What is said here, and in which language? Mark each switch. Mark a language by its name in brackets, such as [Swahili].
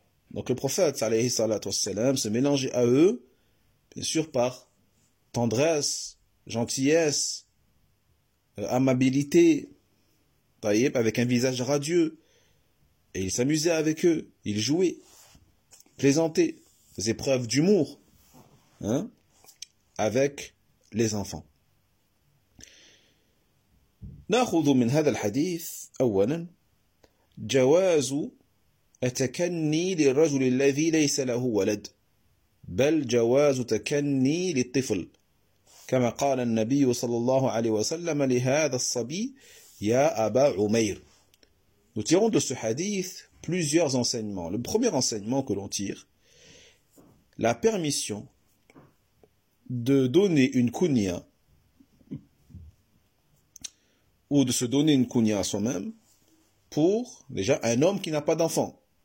[French] Donc le prophète alayhi salatu wassalam, se mélangeait à eux, bien sûr par tendresse, gentillesse, amabilité, avec un visage radieux. Et il s'amusait avec eux, il jouait, plaisantait, faisait preuve d'humour, avec les enfants. [Arabic] Nakhudhu min hadha al-hadith awwalan jawazu التكني للرجل الذي ليس له ولد بل جواز تكني للطفل كما قال النبي صلى الله عليه وسلم لهذا الصبي يا أبا عمير. [French] Nous tirons de ce hadith plusieurs enseignements. Le premier enseignement que l'on tire, la permission de donner une kunya ou de se donner une kunya à soi-même pour déjà un homme qui n'a pas d'enfant.